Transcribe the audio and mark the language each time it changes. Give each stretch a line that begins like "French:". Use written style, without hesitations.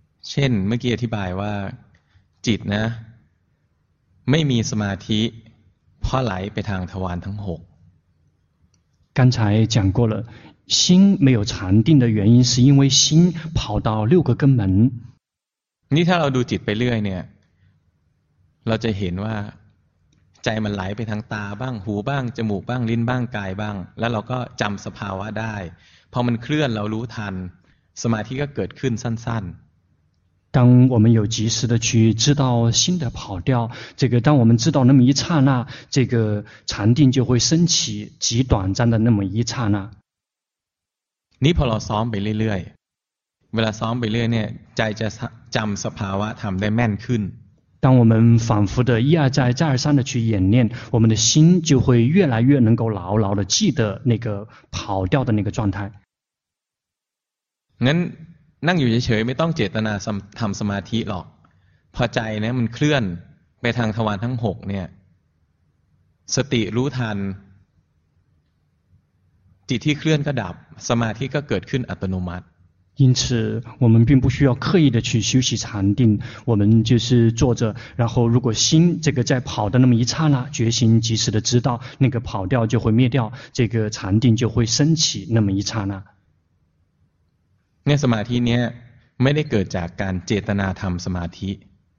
Thai: เช่นเมื่อกี้อธิบายว่าจิตนะไม่มีสมาธิเพราะไหลไปทางทวารทั้งหก
Chinese: 刚才讲过了心没有禅定的原因是因为心跑到六个根门
Thai: นี่ถ้าเราดูจิตไปเรื่อยเนี่ยเราจะเห็นว่าใจมันไหลไปทางตาบ้างหูบ้างจมูกบ้างลิ้นบ้างกายบ้างแล้วเราก็จำสภาวะได้พอมันเคลื่อนเรารู้ทันสมาธิก็เกิดขึ้นสั้น
Chinese: ๆ当我们有及时的去知道心的跑掉这个当我们知道那么一刹那这个禅定就会升起极短暂的那么一刹那
Thai: นี่พอเราซ้อมไปเรื่อยๆเวลาซ้อมไปเรื่อยเนี่ยใจจะจำสภาวะธรรมได้แม่นขึ้น
Chinese: 当我们反复的一而再再而三的去演练我们的心就会越来越能够牢牢的记得那个跑掉的那个状态
Thai: งั้นนั่งอยู่เฉยๆไม่ต้องเจตนาทำสมาธิหรอกพอใจเนี่ยมันเคลื่อนไปทางทวารทั้งหกเนี่ยสติรู้ทันจิตที่เคลื่อนก็ดับสมาธิก็เกิดขึ้นอัตโนมัติ
Chinese: 因此我们并不需要刻意的去修习禅定我们就是坐着然后如果心这个在跑的那么一刹那决心及时的知道那个跑掉就会灭掉这个禅定就会升起那么一刹那
Thai: 那สมาธิเนี่ยไม่ได้เกิดจากการเจตนาทำสมาธิ